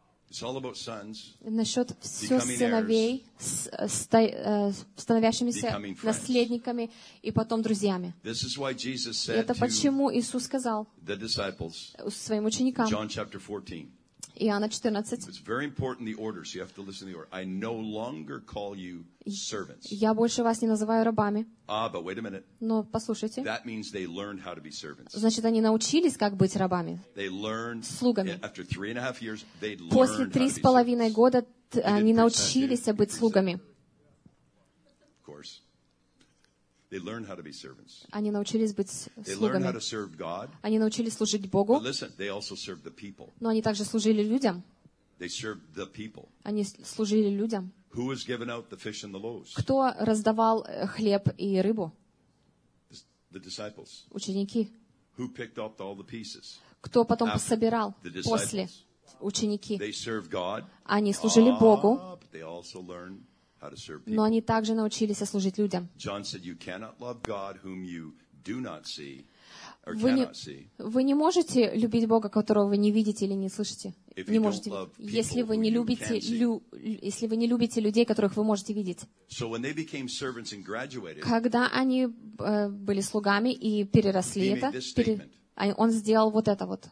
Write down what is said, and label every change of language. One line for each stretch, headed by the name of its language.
English: It's all about sons.
Russian: Насчет все сыновей, становящимися наследниками и потом друзьями.
English: This is why Jesus said.
Russian: Это почему Иисус сказал.
English: The disciples.
Russian: Своим ученикам.
English: John chapter 14.
Russian: Иоанна 14.
English: It's very important the order, so you have to listen to the order. I no longer call you servants.
Russian: Я больше вас не называю рабами.
English: Ah, but wait a minute.
Russian: Но послушайте.
English: That means they learned how to be servants.
Russian: Значит, они научились, как быть рабами.
English: They learned.
Russian: Слугами.
English: After 3.5 years, they learned.
Russian: После 3.5 года они научились быть слугами.
English: Of course. They learned how to be servants.
Russian: Они научились быть слугами.
English: They learned how to serve God.
Russian: Они научились служить Богу.
English: But listen, they also served the people.
Russian: Но они также служили людям.
English: They served the people.
Russian: Они служили людям.
English: Who was giving out the fish and the loaves?
Russian: Кто раздавал хлеб и рыбу?
English: The disciples.
Russian: Ученики.
English: Who picked up all the pieces?
Russian: Кто потом пособирал после? Ученики.
English: They served God.
Russian: Они служили Богу.
English: But they also learned.
Russian: Но они также научились служить людям.
English: John said, "You cannot love God whom you do not see, or cannot see."
Russian: Вы не можете любить Бога, которого вы не видите или не слышите. Не можете. Если вы не любите людей, которых вы можете видеть.
English: So when they became servants and graduated,
Russian: когда они были слугами и переросли это, он сделал вот это вот.